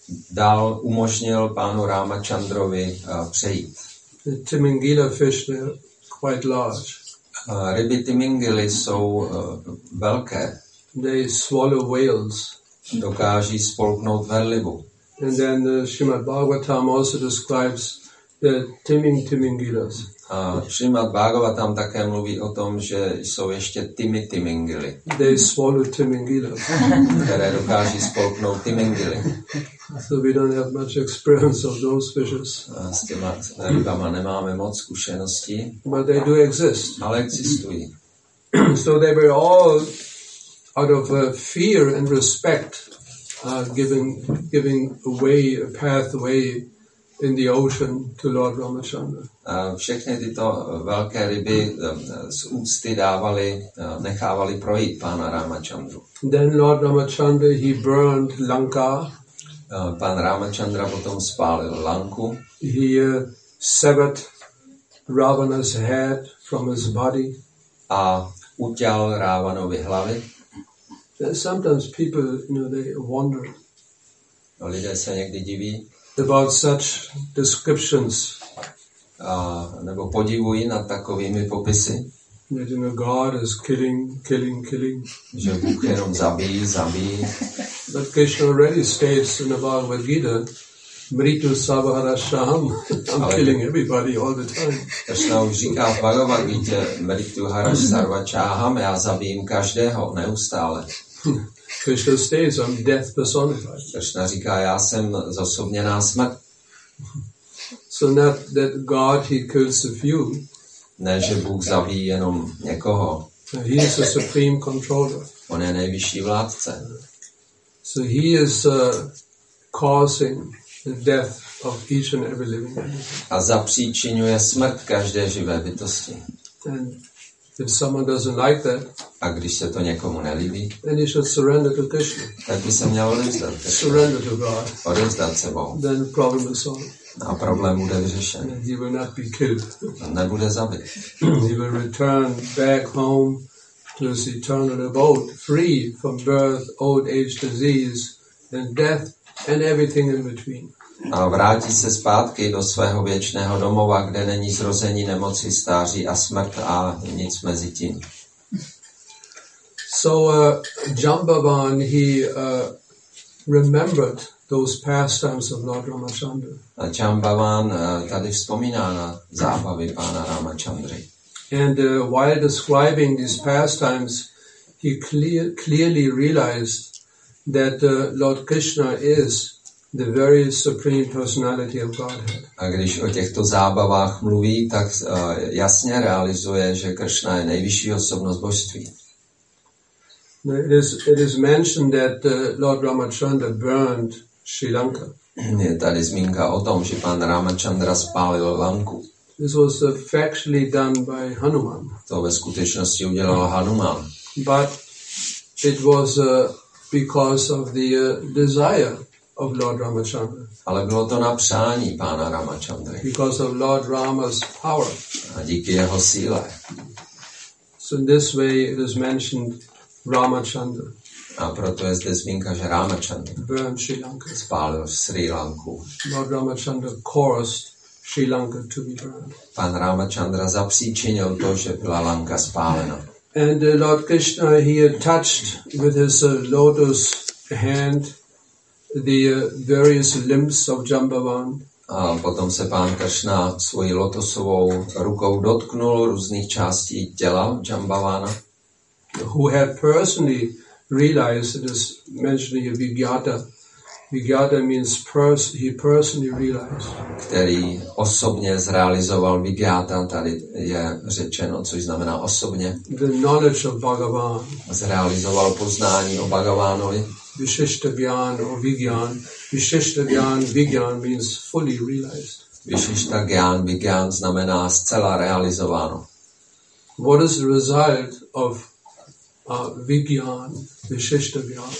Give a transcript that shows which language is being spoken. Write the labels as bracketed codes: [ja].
[cs] Dal umožnil pánu Ramachandrovi přejít. [en] The Timingila fish are quite large. [cs] Ryby Timingily jsou velké. [en] They swallow whales. [cs] dokáží spolknout velivu. [en] And then the Srimad Bhagavatam also describes the timin timingilas. [cs] A Srimad Bhagavatam také mluví o tom, že jsou ještě timi timingily. [en] They swallow timingilas. [cs] Které dokáží spolknout timingily. [en] So we don't have much experience of those fishes. [cs] A s těma rybama nemáme moc zkušenosti. [en] But they do exist. [cs] Ale existují. [en] So they were all out of fear and respect giving away a pathway in the ocean to Lord Ramachandra. [cs] Všechny tyto velké ryby z úcty dávali, nechávali projít pána Ramachandru. [en] Then Lord Ramachandra, he burned Lanka. [cs] Pán Ramachandra potom spálil Lanku. [en] He severed Ravana's head from his body. [cs] A utěl Ravanovi hlavy. [en] Sometimes people, you know, they wonder. [cs] No, lidé se někdy diví. [en] About such descriptions. [cs] Nebo podivují nad takovými popisy. [en] That, you know, God is killing. [cs] Že Bůh jenom zabíjí. [en] But Krishna already states in the Bhagavad Gita, [sa] Mritu Savahara Shaham, [en] I'm killing everybody all the time. [cs] Krishna už říká v Bhagavad Gita, [sa] Mritu Haraš Sarva Chaham, [cs] já zabijím každého, neustále. [en] Krishna states, I'm death personified. [cs] Krishna říká, já jsem zosobněná smrt. [en] So not that God, he kills a few. [cs] Ne, že Bůh zabíjí jenom někoho. [en] He is a supreme controller. [cs] On je nejvyšší vládce. [en] So he is causing the death of each and every living being. [cs] A zapříčinuje smrt každé živé bytosti. [en] And if someone doesn't like that, [cs] a když se to někomu nelíbí, [en] then he should surrender to Krishna. [cs] Tak by se měl odevzdat. [en] Surrender to God. [cs] Odevzdat se Bohu. [en] Then the problem is solved. [cs] A problém bude vyřešen. [en] And he will not be killed. [cs] A nebude zabit. [en] He will return back home to his eternal abode, free from birth, old age, disease, and death, and everything in between. [cs] A vrátí se zpátky do svého věčného domova, kde není zrození, nemoci, stáří a smrt a nic mezi tím. [en] So Jambavan, he remembered those pastimes of Lord Ramachandra. [cs] A Jambavan tady vzpomíná na zábavy pána Ramachandry. [en] And while describing these pastimes, he clearly realized that Lord Krishna is the very supreme personality of Godhead. [cs] A když o těchto zábavách mluví, tak jasně realizuje, že Krishna je nejvyšší osobnost božství. [en] It is mentioned that Lord Ramachandra burned Sri Lanka. [cs] Je tady zmínka o tom, že pan Ramachandra spálil Lanku. [en] This was factually done by Hanuman. [cs] To ve skutečnosti udělal Hanuman. [en] But it was because of the desire of Lord Ramachandra. [cs] Ale bylo to na přání pána Ramachandry. [en] Because of Lord Rama's power. [cs] A díky jeho síle. [en] So in this way it is mentioned Ramachandra. [cs] A proto je zde zmínka, že Ramachandra spálil Sri Lanku. [en] Lord Ramachandra caused Sri Lanka to be burned. [cs] Pan Ramachandra zapříčinil to, že byla Lanka spálena. [en] And Lord Krishna, he touched with his lotus hand the various limbs of Jambavan. [cs] A potom se pán Krishna svojí lotosovou rukou dotknul různých částí těla Jambavana. [en] Who had personally realized, it is mentioned here, Vigyata. Vigyata means he personally realized. [cs] Který osobně zrealizoval Vigyata, tady je řečeno, což znamená osobně. [en] The knowledge of Bhagavan. [cs] Zrealizoval poznání o Bhagavánovi. [en] Vishishta Gyan or Vigyan. Vishishta Gyan, Vigyan means fully realized. [cs] Vishishta Gyan, Vigyan znamená zcela realizováno. [en] What is the result of Vigyan, Vishishta Gyan?